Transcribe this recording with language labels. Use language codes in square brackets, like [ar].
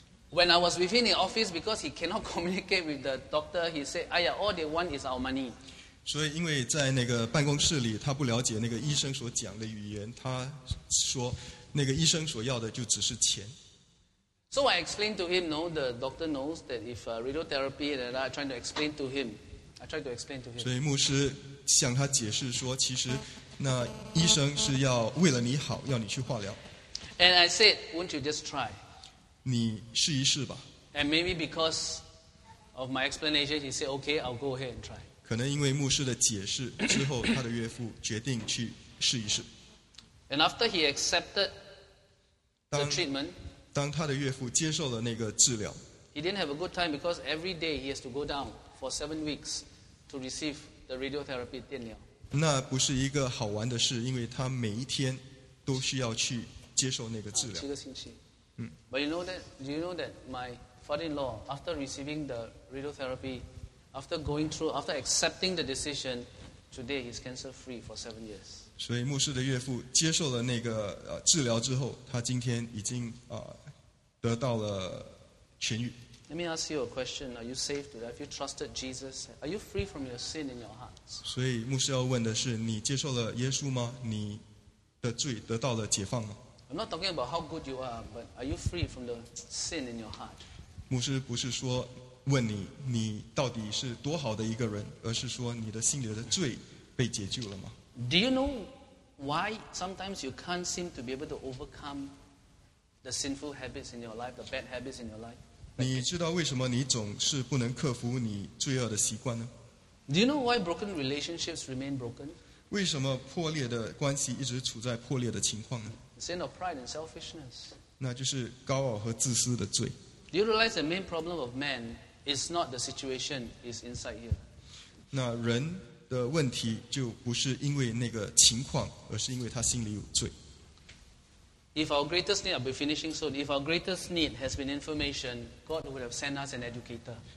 [en] When I was with him in office, because he cannot communicate with the doctor, he said, "Aiya, all they want is our money." [zh] 所以因为在那个办公室里, 他不了解那个医生所讲的语言, 他说, 那个医生所要的就只是钱。 [en] So I explained to him, no, the doctor knows that if radiotherapy, and I tried to explain to him. [zh] 所以牧师向他解释说, 其实那医生是要为了你好, 要你去化疗。 [en] And I said, won't you just try? [zh] 你试一试吧。 [en] And maybe because of my explanation, he said, okay, I'll go ahead and try. [zh] 可能因为牧师的解释之后, 他的岳父决定去试一试。 [en] And after he accepted the treatment, [zh] 当他的岳父接受了那个治疗, [en] he didn't have a good time because every day he has to go down for 7 weeks to receive the radiotherapy 电疗。 [zh] 那不是一个好玩的事, 因为他每一天都需要去接受那个治疗。七个星期。 [en] But you know that, do you know that my father-in-law, after receiving the radiotherapy, after going through, after accepting the decision, today he's cancer-free for 7 years. [zh] 所以牧师的岳父接受了那个, 治疗之后, 他今天已经, 得到了痊愈。 [en] Let me ask you a question. Are you saved today? Have you trusted Jesus? Are you free from your sin in your hearts? [zh] 所以牧师要问的是, 你接受了耶稣吗? 你的罪得到了解放吗? [en] I'm not talking about how good you are, but are you free from the sin in your heart? [zh] 牧师不是说问你, 你到底是多好的一个人, 而是说你的心里的罪被解救了吗? [en] Do you know why sometimes you can't seem to be able to overcome the sinful habits in your life, the bad habits in your life? [zh] 你知道为什么你总是不能克服你罪恶的习惯呢? [en] Do you know why broken relationships remain broken? [zh] 为什么破裂的关系一直处在破裂的情况呢? [en] Sin of pride and selfishness. [zh] 那就是高傲和自私的罪。 [en] Do you realize the main problem of man is not the situation, it's inside here? [zh] 那人 的问题就不是因为那个情况, 而是因为他心里有罪。 [en] If our greatest need, I'll be finishing soon, if our greatest need has been information, God would have sent us an educator.